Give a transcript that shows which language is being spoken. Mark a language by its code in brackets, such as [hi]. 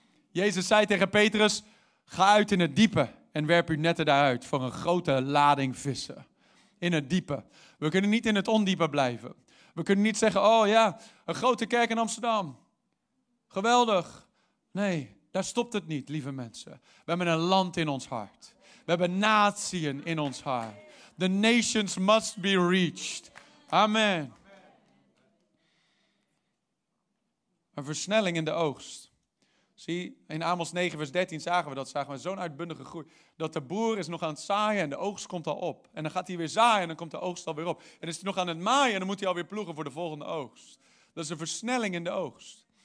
[nl] Jezus zei tegen Petrus, ga uit in het diepe en werp uw netten daaruit voor een grote lading vissen. In het diepe. We kunnen niet in het ondiepe blijven. We kunnen niet zeggen, een grote kerk in Amsterdam. Geweldig. Nee, daar stopt het niet, lieve mensen. We hebben een land in ons hart. We hebben naties in ons hart. [en] The nations must be reached. [nl] Amen. Een versnelling in de oogst. Zie, in Amos 9 vers 13 zagen we zo'n uitbundige groei. Dat de boer is nog aan het zaaien en de oogst komt al op. En dan gaat hij weer zaaien en dan komt de oogst alweer op. En is hij nog aan het maaien en dan moet hij alweer ploegen voor de volgende oogst. Dat is een versnelling in de oogst.